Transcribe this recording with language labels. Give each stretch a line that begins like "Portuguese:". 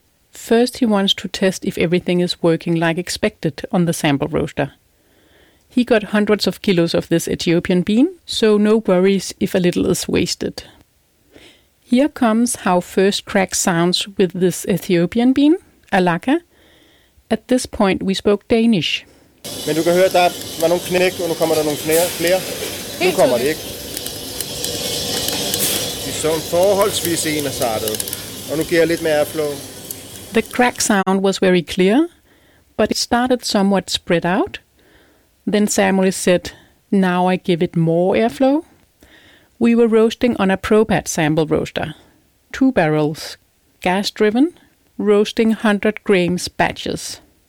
English: First he wants to test if everything is working like expected on the sample roaster. He got hundreds of kilos of this Ethiopian bean, so no worries if a little is wasted. Here comes how first crack sounds with this Ethiopian bean, alaka. At this point we spoke Danish.
Danish: Men du kan høre, der var nogle knæk, og nu kommer der nogle flere. Helt nu kommer det ikke. De så en forholdsvis ensartet. Og nu giver jeg lidt mere airflow.
English: The crack sound was very clear, but it started somewhat spread out. Then Samuel said, now I give it more airflow. We were roasting on a ProPad sample roaster. Two barrels, gas-driven, roasting 100 grams batches.